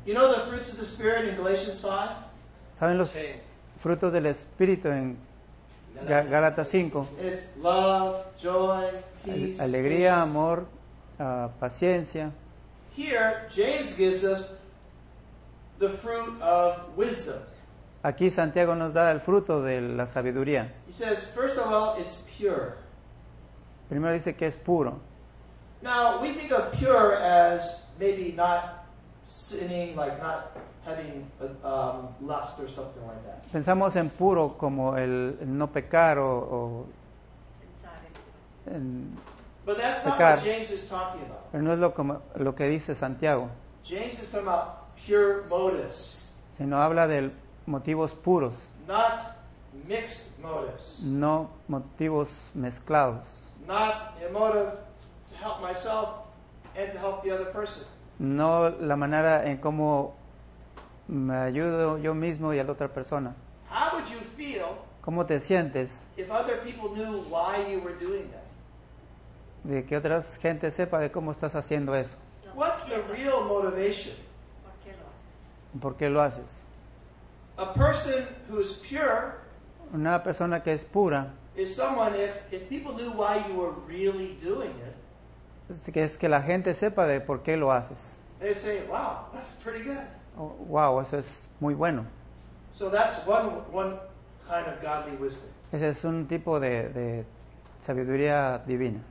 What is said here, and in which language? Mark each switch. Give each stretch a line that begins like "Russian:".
English: You know the fruits of the Spirit in Galatians 5?
Spanish: ¿Saben los frutos del Espíritu en Gálatas 5?
English: It's love, joy, peace,
Spanish: alegría, amor, paciencia.
English: Here James gives us the fruit of wisdom.
Spanish: Aquí Santiago nos da el fruto de la sabiduría.
English: He says, first of all, it's pure.
Spanish: Primero dice que es puro.
English: Now we think of pure as maybe not sinning, like not having lust or something like that.
Spanish: Pensamos en puro como el no pecar o
English: en, but that's not what James is talking about.
Spanish: Pero no es lo que dice Santiago.
English: James is talking about pure motives.
Spanish: Sino habla de motivos puros.
English: Not mixed motives.
Spanish: No motivos mezclados.
English: Not a motive to help myself and to help the other person.
Spanish: No la manera en cómo me ayudo yo mismo y a la otra persona.
English: How would you feel,
Spanish: ¿cómo te sientes,
English: if other people knew why you were doing that?
Spanish: De que otra gente sepa de cómo estás haciendo eso.
English: What's the real motivation?
Spanish: ¿Por qué lo haces? ¿Por qué lo haces?
English: A person who is pure,
Spanish: una persona que es pura,
English: is someone if people knew why you were really doing it,
Spanish: es que la gente sepa de por qué lo haces.
English: They say, wow, that's pretty good.
Spanish: Oh, wow, eso es muy bueno.
English: So that's one kind of godly wisdom.
Spanish: Ese es un tipo de sabiduría divina.